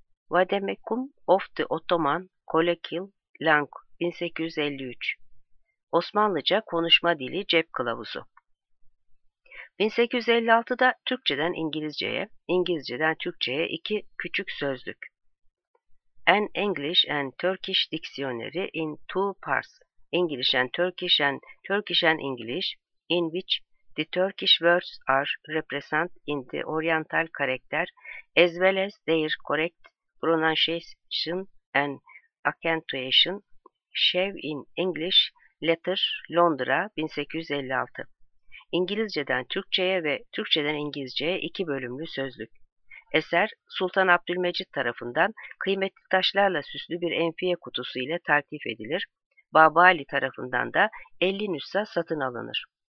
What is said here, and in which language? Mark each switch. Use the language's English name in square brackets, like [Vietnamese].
[English] Vademecum of the Ottoman Colloquial Language 1853. [Turkish] Osmanlıca konuşma dili cep kılavuzu. 1856'da Türkçeden İngilizceye, İngilizceden Türkçeye iki küçük sözlük. [English] An English and Turkish Dictionary in two parts. English and Turkish and Turkish and English in which the Turkish words are represented in the oriental character as well as their correct pronunciation and accentuation. Shave in English Letter Londra 1856. [Turkish] İngilizceden Türkçeye ve Türkçeden İngilizceye iki bölümlü sözlük. Eser Sultan Abdülmecit tarafından kıymetli taşlarla süslü bir enfiye kutusu ile tertip edilir. Bab-ı Ali tarafından da 50 nüsha satın alınır.